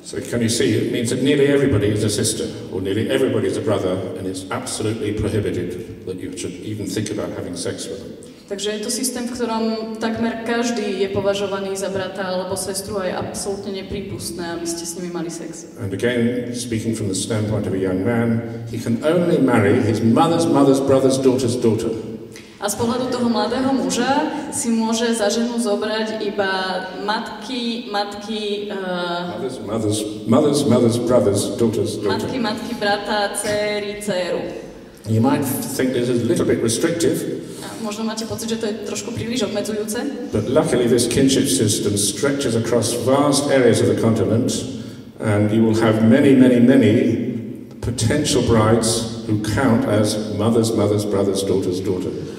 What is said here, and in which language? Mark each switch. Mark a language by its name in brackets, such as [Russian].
[English] So can you see, it means that nearly everybody is a sister or nearly everybody is a brother and it's absolutely prohibited that you should even think about having sex with them. [Slovak] Takže je to systém, v ktorom takmer každý je považovaný za brata alebo sestru a je absolútne neprípustné, aby ste s nimi mali sex. [English] And again, speaking from the standpoint of a young man, he can only marry his mother's mother's brother's daughter's daughter. [Slovak] A z pohľadu toho mladého muža si môže za ženu zobrať iba matky... [English] Mother's mother's brother's daughter's daughter. [Slovak] Matky brata, céry, céru. [English] You might think this is a little bit restrictive. [Slovak] Možno máte pocit, že to je trošku príliš obmedzujúce. [English] But luckily this kinship system stretches across vast areas of the continent and you will have many, many, many potential brides who count as mother's mother's brother's daughter's daughter.